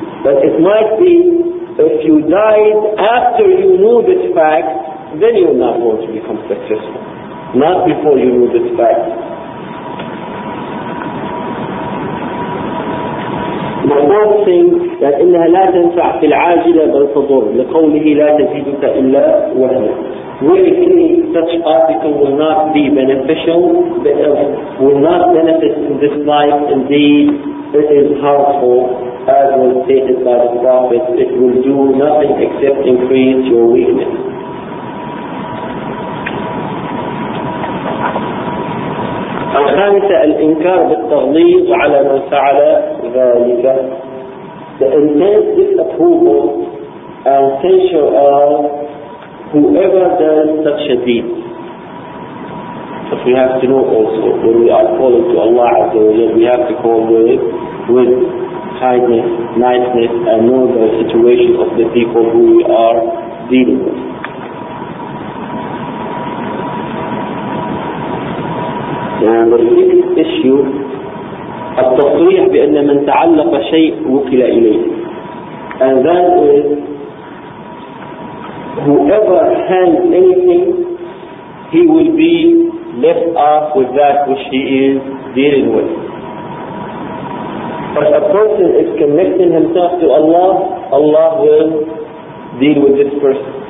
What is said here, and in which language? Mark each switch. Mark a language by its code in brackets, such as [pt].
[en] But it might be, if you died after you knew this fact, then you're not going to become successful. Not before you knew this fact. The third thing, that [ar] إِنَّهَا لَا تَنْفَعْ فِي الْعَاجِلَ بَلْتَضُرْ لِقَوْلِهِ لَا تَزِيدُكَ إِلَّا وَهْنَا. [en] Really, such article will not be beneficial, will not benefit in this life. Indeed, it is harmful, as was stated by the Prophet. It will do nothing except increase your weakness. [ar] الخامسة الإنكار بالتغليظ على من فعل ذلك. [en] The intense disapproval and censure of whoever does such a deed. But we have to know also, when we are calling to Allah Azza wa Jalla, we have to call with kindness, niceness, and know the situation of the people who we are dealing with. And the biggest issue, [ar] التصريح بأن من تعلق شيء وكل إليه. [en] And that is, whoever hangs anything, he will be left off with that which he is dealing with. But a person is connecting himself to Allah, Allah will deal with this person.